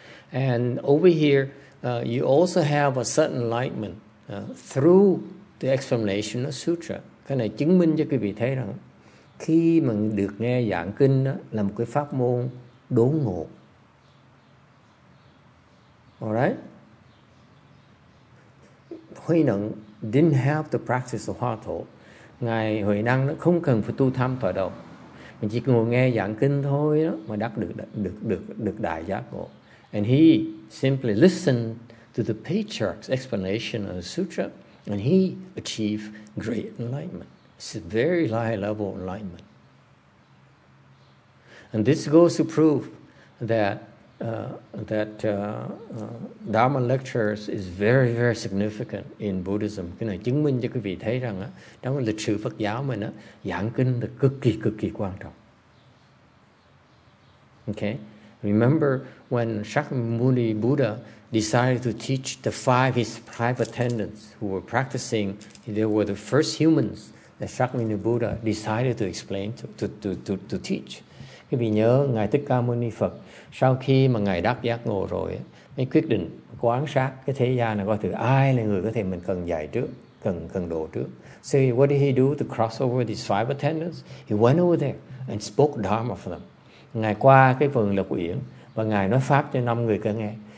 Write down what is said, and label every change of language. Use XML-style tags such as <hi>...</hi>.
<en>And over here you also have a certain enlightenment through the explanation of sutra.</en> <vi>Cái này chứng minh cho quý vị thấy rằng khi mà được nghe giảng kinh đó, là một cái pháp môn đốn ngộ. Alright?</vi> <en>Huy Năng didn't have to practice the Hoa Thổ.</en> <vi>Ngài Huy Năng không cần phải tu tham tọa đâu. Mình chỉ ngồi nghe giảng kinh thôi đó, mà đắc được đại giác ngộ.</vi> <en>And he simply listened to the patriarch's explanation of the sutra, and he achieved great enlightenment. It's a very high level enlightenment. And this goes to prove that Dharma lectures is very very significant in Buddhism.</en> <vi>Cái này chứng minh cho quý vị thấy rằng á, trong lịch sử Phật giáo mình á, giảng kinh là cực kỳ quan trọng.</vi> <en>Okay, remember when Shakyamuni Buddha decided to teach the five his five attendants who were practicing, they were the first humans that Shakyamuni Buddha decided to explain to teach.</en> <vi>Quý vị nhớ ngài Thích Ca Mâu Ni Phật sau khi mà ngài đắc giác ngộ rồi mới quyết định quán sát cái thế gian này coi thử ai là người có thể mình cần dạy trước, cần độ trước.</vi> <en>So what did he do to cross over these five attendants? He went over there and spoke dharma for them.</en> <vi>Ngài qua cái vườn lộc uyển và ngài nói pháp cho năm người kia nghe.</vi>